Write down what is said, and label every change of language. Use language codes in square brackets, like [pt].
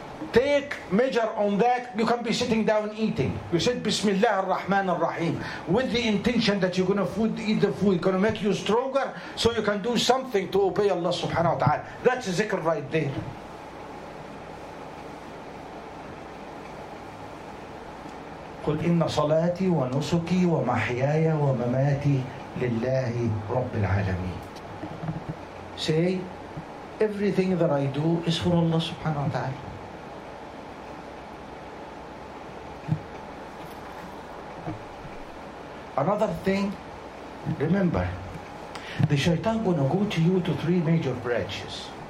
[en] Take measure on that. You can be sitting down eating. You said Bismillah ar-Rahman ar-Rahim with the intention that you're going to food, eat the food, going to make you stronger so you can do something to obey Allah subhanahu wa ta'ala. That's a zikr right there. [ar] قل إن صلاتي ونسكي ومحياي ومماتي لله رب العالمين. [en] Say, everything that I do is for Allah subhanahu wa ta'ala. Another thing, remember, the shaitan gonna go to you to three major branches.